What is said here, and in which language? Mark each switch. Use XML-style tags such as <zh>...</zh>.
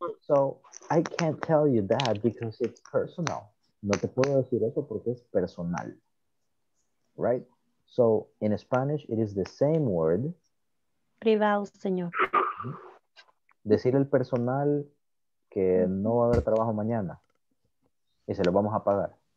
<en>So I can't tell you that because it's personal.</en> <es>No te puedo decir eso porque es personal.</es> <en>Right? So in Spanish, it is the same word.</en> <es>Privado, señor. Decir el personal que no va a haber trabajo mañana y se lo vamos a pagar.</es>